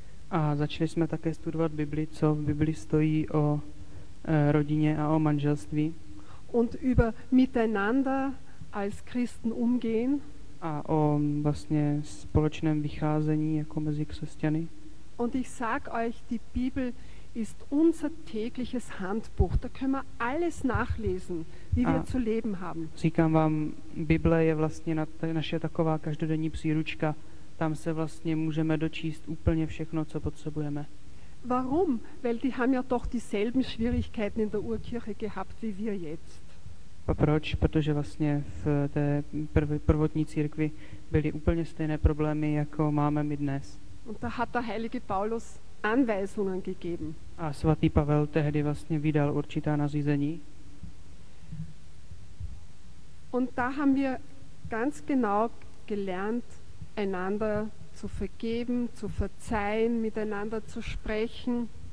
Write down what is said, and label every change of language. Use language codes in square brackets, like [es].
[cs] A začali jsme také studovat Bibli, co v Biblii stojí o rodině a o manželství. [de] Und über miteinander als Christen umgehen. [cs] A o vlastně společném vycházení jako mezi křesťany. [de] Und ich sag euch, die Bibel ist unser tägliches Handbuch. Da können wir alles nachlesen, wie wir zu leben haben. [cs] Říkám vám, Bible je vlastně naše taková každodenní příručka. Tam se vlastně můžeme dočíst úplně všechno, co potřebujeme. [de] Warum? Weil die haben ja doch dieselben Schwierigkeiten in der Urkirche gehabt wie wir jetzt. [cs] A proč? Protože vlastně v té prvotní církvi byly úplně stejné problémy, jako máme my dnes. [de] Und da hat der heilige Paulus Anweisungen gegeben. [cs] A svatý Pavel tehdy vlastně vydal určitá nařízení. [de] Und da haben wir ganz genau gelernt, einander zu vergeben, zu verzeihen, miteinander zu sprechen.